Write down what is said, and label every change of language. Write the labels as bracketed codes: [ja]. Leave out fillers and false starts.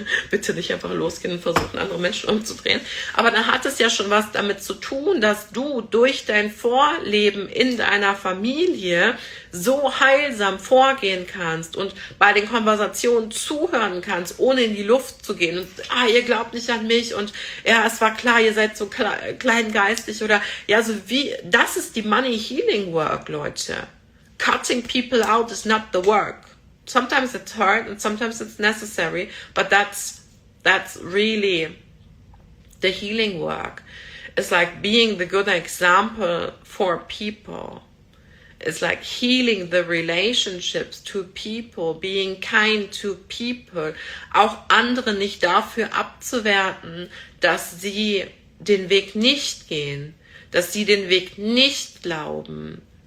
[de] bitte nicht einfach losgehen und versuchen, andere Menschen umzudrehen, aber dann hat es ja schon was damit zu tun, dass du durch dein Vorleben in deiner Familie so heilsam vorgehen kannst und bei den Konversationen zuhören kannst, ohne in die Luft zu gehen und, ah, ihr glaubt nicht an mich und, ja, es war klar, ihr seid so kleingeistig oder, ja, so wie, das ist die Money Healing Work, Leute. [en] Cutting people out is not the work. Sometimes it's hard and sometimes it's necessary, but that's really the healing work. It's like being the good example for people. It's like healing the relationships to people, [de] being kind to people, auch andere nicht dafür abzuwerten, dass sie den Weg nicht gehen, dass sie den Weg nicht glauben.